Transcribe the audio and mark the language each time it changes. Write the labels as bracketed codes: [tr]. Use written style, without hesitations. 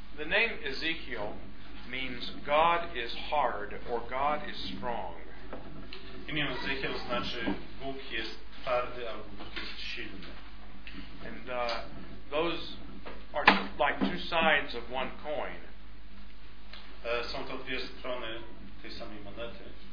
[en] name Ezekiel means God is hard or God is strong. [pl] Imię Ezekiel znaczy Bóg jest twardy albo Bóg jest silny. [en] And those are like two sides of one coin. [pl] Są to dwie strony tej samej monety.